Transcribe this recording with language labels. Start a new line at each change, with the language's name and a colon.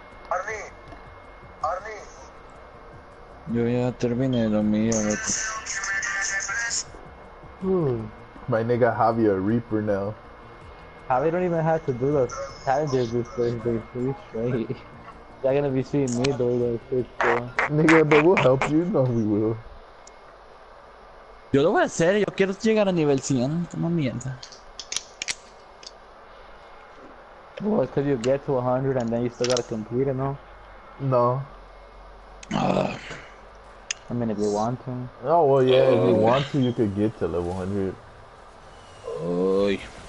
Spanish: Arnie! Arnie! Yo ya terminé lo mío, loco.
English: My nigga Javier Reaper now. Javi don't even have to do the challenges this Thursday, please, straight. They're gonna be seeing me do the shit, bro. Nigga, but we'll help you, no we will.
Spanish: Yo lo voy a hacer, yo quiero llegar a nivel 100, toma mierda.
English: Well, it's cause you get to 100 and then you still gotta complete it, no? No. I mean, if you want to. Oh, well, yeah, if you want to, you could get to level 100. Oy.